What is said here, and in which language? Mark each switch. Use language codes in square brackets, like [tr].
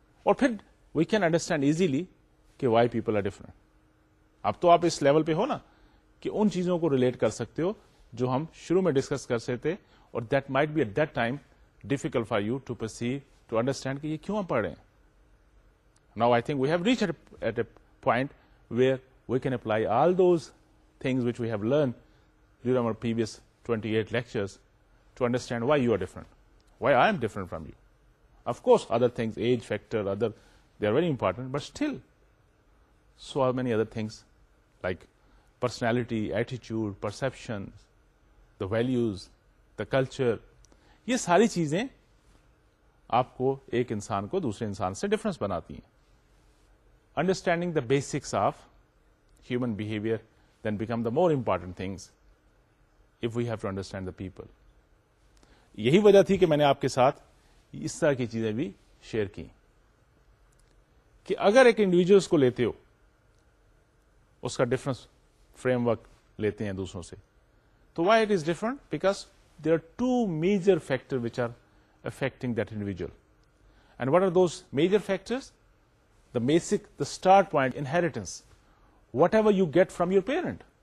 [ur] اور پھر [en] we can understand easily [ur] کہ [en] why people are different [ur] اب تو آپ اس لیول پہ ہو نا کہ ان چیزوں کو ریلیٹ کر سکتے ہو جو ہم شروع میں ڈسکس کر سکتے اور [en] that might be at that time difficult for you to perceive to understand [ur] کہ یہ کیوں ہم پڑھ رہے ہیں [en] Now I think we have reach at a point where we can apply all those things which we have learn during our previous 28 lectures to understand why you are different why I am different from you. Of course, other things, age factor, other, they are very important, but still, so are many other things, like personality, attitude, perception, the values, the culture. [ur] یہ ساری چیزیں آپ کو ایک انسان کو دوسرے انسان سے difference بناتی ہیں. [en] Understanding the basics of human behavior then become the more important things if we have to understand the people. [ur] یہی وجہ تھی کہ میں نے آپ کے ساتھ اس طرح کی چیزیں بھی شیئر کی کہ اگر ایک انڈیویجلس کو لیتے ہو اس کا ڈفرنس فریم ورک لیتے ہیں دوسروں سے [en] تو why it is different because there are two major factor which are affecting that individual and what are those major factors the basic the start point inheritance whatever you get from your parent